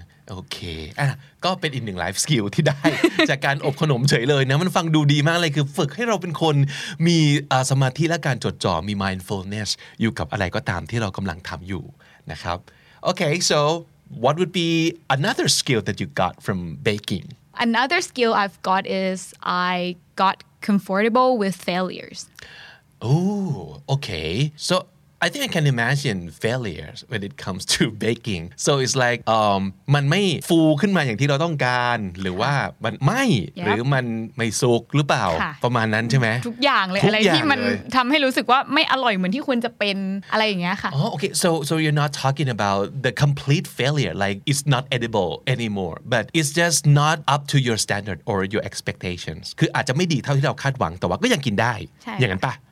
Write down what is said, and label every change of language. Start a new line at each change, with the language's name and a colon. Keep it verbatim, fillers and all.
Thai: โอเคอ่ะก็เป็นอีกหนึ่งไลฟ์สกิลที่ได้ จากการอบขนมเฉยเลยนะมันฟังดูดีมากเลยคือฝึกให้เราเป็นคนมีสมาธิและการจดจ่อมี mindfulness อยู่กับอะไรก็ตามที่เรากำลังทำอยู่นะครับโอเค so what would be another skill that you got from baking
English: Another skill I've got is I got comfortable with failures Oh okay so I think I can imagine failures when it comes to baking. So it's like um
Thai: มันไม่ฟูขึ้นมาอย่างที่เราต้องการหรือว่ามันไหม้
English: yep.
Thai: หรือมันไม่สุกหรือเปล่าประมาณนั้นใช่ไหม ทุกอย่างเลยอะไรที่มันทำให้รู้สึกว่าไม่อร่อยเหมือนที่ควรจะเป็นอะไรอย่างเงี้ยค่ะ
English: อ๋อ oh, okay so so you're not talking about the complete failure like it's not edible anymore but it's just not up to your standard or your expectations
Thai: คืออาจจะไม่ดีเท่าที่เราคาดหวังแต่ว่าก็ยังกินได้อย่างนั้นปะ